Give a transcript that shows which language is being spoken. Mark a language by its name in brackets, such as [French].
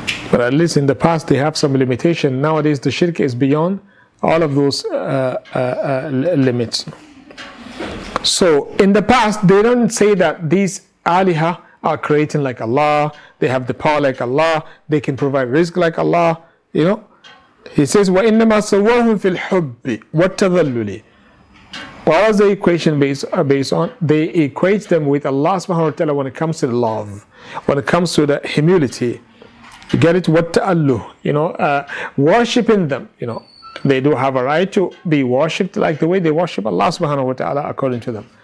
[English] But at least in the past they have some limitation. Nowadays the shirk is beyond all of those limits. So in the past they don't say that these aliha are creating like Allah, they have the power like Allah, they can provide rizq like Allah, you know. He says, [Arabic] وَإِنَّمَا سَوَّهُمْ فِي الْحُبِّ وَالتَّذَلُّلِ. [English] What is the equation based on? They equate them with Allah subhanahu wa ta'ala when it comes to the love, when it comes to the humility. You get it? وَالتَّأَلُّ. You know, worshipping them, you know. They do have a right to be worshipped like the way they worship Allah subhanahu wa ta'ala according to them.